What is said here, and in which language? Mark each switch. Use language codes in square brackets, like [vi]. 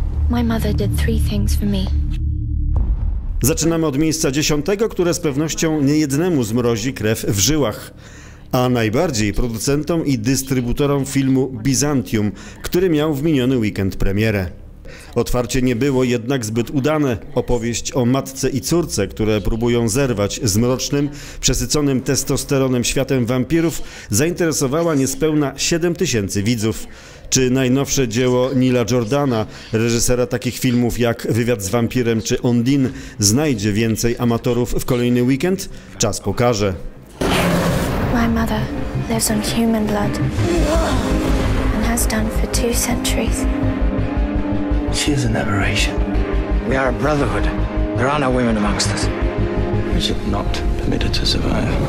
[en] My mother did three things for me. [pl] Zaczynamy od miejsca 10, które z pewnością niejednemu zmrozi krew w żyłach. A najbardziej producentom i dystrybutorom filmu Byzantium, który miał w miniony weekend premierę. Otwarcie nie było jednak zbyt udane. Opowieść o matce i córce, które próbują zerwać z mrocznym, przesyconym testosteronem światem wampirów, zainteresowała niespełna 7 tysięcy widzów. Czy najnowsze dzieło Neila Jordana, reżysera takich filmów jak Wywiad z wampirem czy Ondine, znajdzie więcej amatorów w kolejny weekend? Czas pokaże. [en] My mother lives on human blood and has done for 2 centuries. She is an aberration. We are a brotherhood. There are no women amongst us. We should not permit her to survive.